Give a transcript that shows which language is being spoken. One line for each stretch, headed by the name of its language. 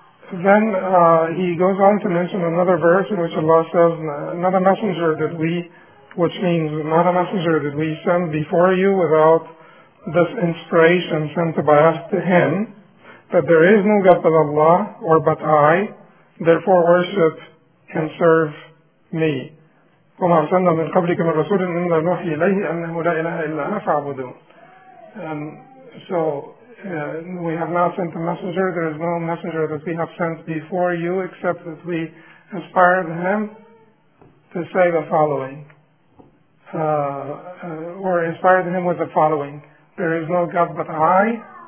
English: Then he goes on to mention another verse in which Allah says, not a messenger did we, which means not a messenger did we send before you without this inspiration sent by us to him, that there is no God but Allah, or but I, therefore worship and serve me.
Arabic: وما أرسلنا من قبلكم الرسول إن لا نوحي إليه أنه لا إله إلا أنا فاعبدون.
English: So we have not sent a messenger. There is no messenger that we have sent before you except that we inspired him to say the following, or inspired him with the following: there is no God but I,